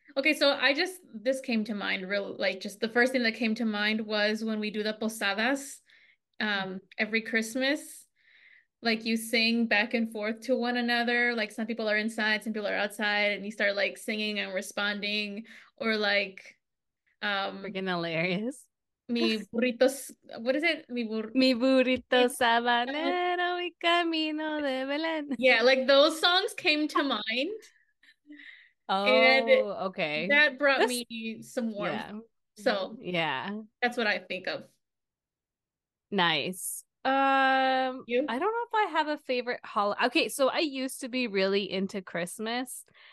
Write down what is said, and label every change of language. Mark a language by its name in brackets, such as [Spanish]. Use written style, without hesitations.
[English] Okay, so this came to mind, just the first thing that came to mind was when we do the posadas every Christmas. Like, you sing back and forth to one another. Like, some people are inside, some people are outside, and you start like singing and responding, or like freaking hilarious. [Spanish] Mi burritos, [English] what is it? [Spanish] Mi burrito sabanero y camino de Belén. [English] Yeah, like those songs came to mind. Oh, and okay. That brought me some warmth. Yeah. So yeah, that's what I think of. Nice. You? I don't know if I have a favorite holiday. Okay, so I used to be really into Christmas.